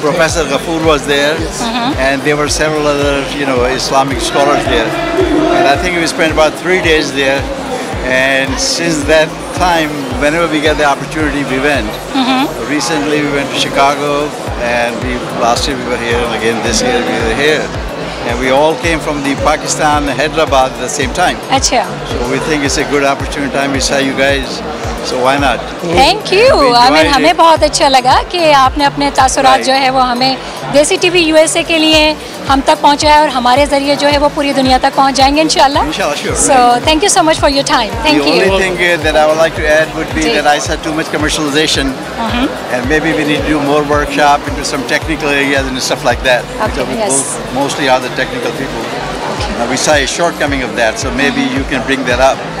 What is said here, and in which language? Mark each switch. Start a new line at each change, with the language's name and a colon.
English: Professor Ghafoor was there, uh-huh. and there were several other, you know, Islamic scholars there, and I think we spent about 3 days there, and since that time, whenever we get the opportunity, we went. Uh-huh. Recently, we went to Chicago, and last year we were here, and again this year we were here. And we all came from the Pakistan Hyderabad at the same time.
Hindi: Achha.
English: So we think it's a good opportunity time we saw you guys. So why not? Thank you.
Hindi: I mean, हमें बहुत अच्छा लगा कि आपने अपने तासुरात जो है वो हमें देसी टीवी यूएसए के लिए हम तक पहुंचाया और हमारे जरिए जो है वो पूरी दुनिया तक पहुंच जाएंगे इंशाल्लाह.
English: Inshallah, sure. So thank you so much for your time. Thank you. The only thing that I would like to add would be that I saw too much commercialization, and maybe we need to do more workshop into some technical areas and stuff like that. Okay. Yes. Mostly are the technical people. We saw a shortcoming of that, so maybe you can bring that up.